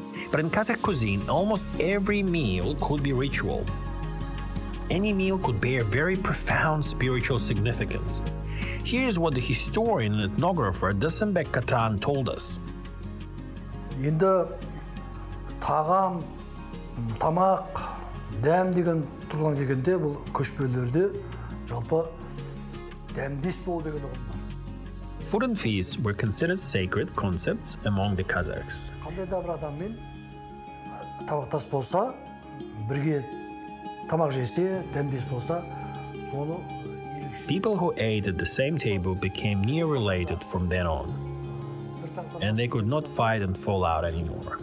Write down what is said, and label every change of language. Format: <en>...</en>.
<en>But in Kazakh cuisine, almost every meal could be ritual. Any meal could bear very profound spiritual significance. Here's what the historian and ethnographer Dasenbek Katran told us.</en> <kk>Енді тағам, тамақ, дәм деген тұрған кегенде бұл көшпелерде жалпы дәмдес болу деген ұғымдар.</kk> <en>Food and feasts were considered sacred concepts among the Kazakhs.</en> <kk>Қандай да бір адаммен табақтас болса, бірге тамақ жесе, дәмдес болса, соны.</kk> <en>People who ate at the same table became near related from then on, and they could not fight and fall out anymore.</en>